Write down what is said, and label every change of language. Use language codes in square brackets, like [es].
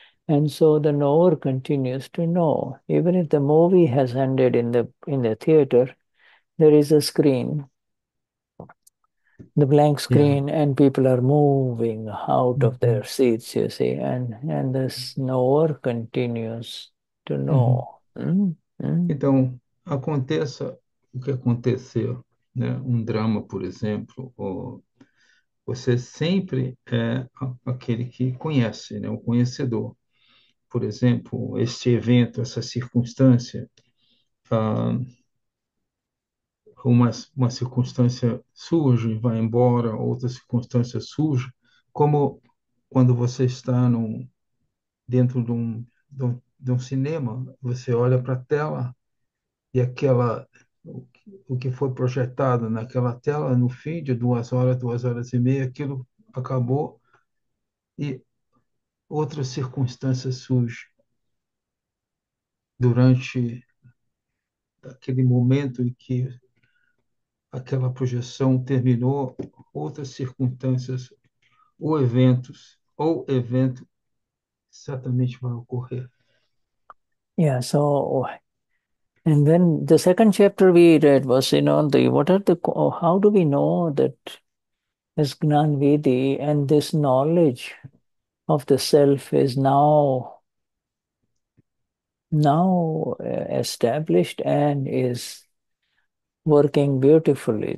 [en] And so the knower continues to know. Even if the movie has ended in the theater, there is a screen the blank screen and people are moving out of their seats, you see, and this knower continues to know. [pt] Então, aconteça o que acontecer, né? Um drama, por exemplo, ou você sempre é aquele que conhece, né? O conhecedor. Por exemplo, este evento, essa circunstância, uma circunstância surge e vai embora, outra circunstância surge, como quando você está dentro de um cinema, você olha para a tela e o que foi projetado naquela tela, no fim de 2 horas, 2 horas e meia, aquilo acabou e outra circunstância surge durante aquele momento em que aquela projeção terminou, outras circunstâncias ou eventos, ou evento certamente vai ocorrer. [en] Yeah, so, and then the second chapter we read was, how do we know that this Gnanvedi and this knowledge of the self is now established and is working beautifully?